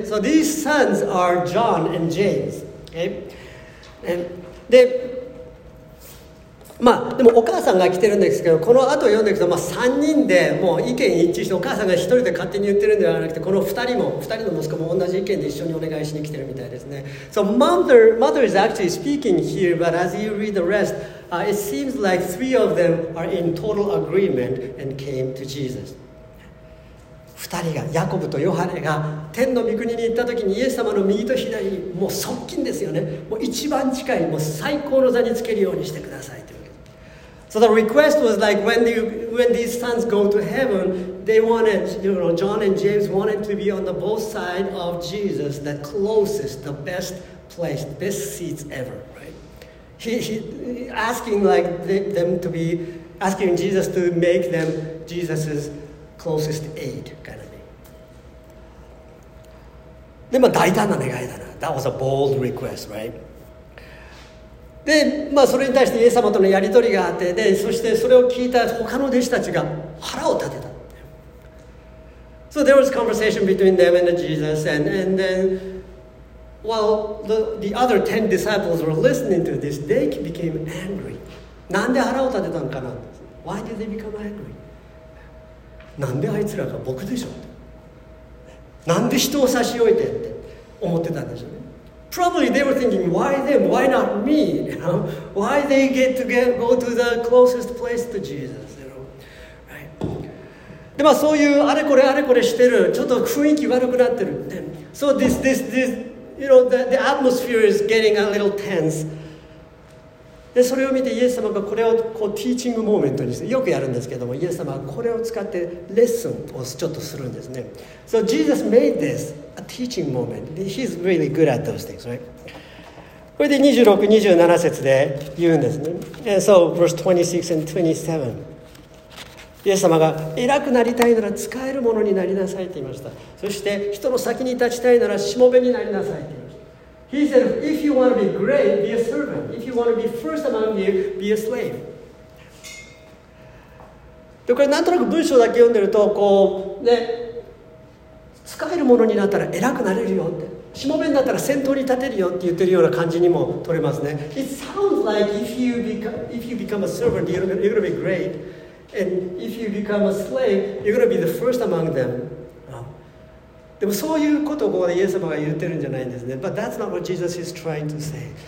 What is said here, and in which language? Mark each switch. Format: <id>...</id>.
<en>So these sons are John and James. Okay?</en> <ja>And, で、まあ、でもお母さんが来てるんですけど、この後読んでいくと、まあ、三人でもう意見一致して、お母さんが一人で勝手に言ってるんではなくて、この二人も、二人の息子も同じ意見で一緒にお願いしに来てるみたいですね。</ja> <en>So mother is actually speaking here, but as you read the rest, it seems like three of them are in total agreement and came to Jesus.</en> <ja>二人が、ヤコブとヨハネが天の御国に行った時に、イエス様の右と左にもう側近ですよね。もう一番近い、もう最高の座につけるようにしてください。</ja> <en>So the request was like when these sons go to heaven, they wanted, you know, John and James wanted to be on the both side of Jesus, the closest, the best place, best seats ever, right? He asking like them to be, asking Jesus to make them Jesus' closest aide, kind of thing. That was a bold request, right?</en> <ja>で、まあ、それに対してイエス様とのやり取りがあって、でそしてそれを聞いた他の弟子たちが腹を立てた。</ja> <en>So there was conversation between them and Jesus, and then while the other ten disciples were listening to this, they became angry.</en> <ja>なんで腹を立てたのかな。</ja> <en>Why did they become angry?</en> <ja>なんであいつらが僕でしょ、なんで人を差し置いてって思ってたんでしょうね。</ja> <en>Probably they were thinking, why them? Why not me? You know? Why they get to get, go to the closest place to Jesus? You know? Right?</en> <ja>で、まあ、そういうあれこれあれこれしてる、ちょっと雰囲気悪くなってる。</ja> <en>で、So this, you know, the atmosphere is getting a little tense.</en> <ja>で、それを見てイエス様がこれをこうティーチングモーメントにして、よくやるんですけども、イエス様はこれを使ってレッスンをちょっとするんですね。</ja> <en>So Jesus made this. A teaching moment. He's really good at those things, right?</en> <ja>これで26、27節で言うんですね。</ja> <en>So, verse 26 and 27.</en> <ja>イエス様が、偉くなりたいなら使えるものになりなさいと言いました。そして、人の先に立ちたいならしもべになりなさいと言いました。</ja> <en>He said, if you want to be great, be a servant. If you want to be first among you, be a slave.</en> <ja>で、これなんとなく文章だけ読んでると、こう、ね、使えるものになったら偉くなれるよって、しもべになったら先頭に立てるよって言ってるような感じにも取れますね。</ja> <en>It sounds like if you become a servant, you're gonna be great. And if you become a slave, you're gonna be the first among them.</en> <ja>でもそういうことをここでイエス様が言ってるんじゃないんですね。</ja> <en>But that's not what Jesus is trying to say.</en>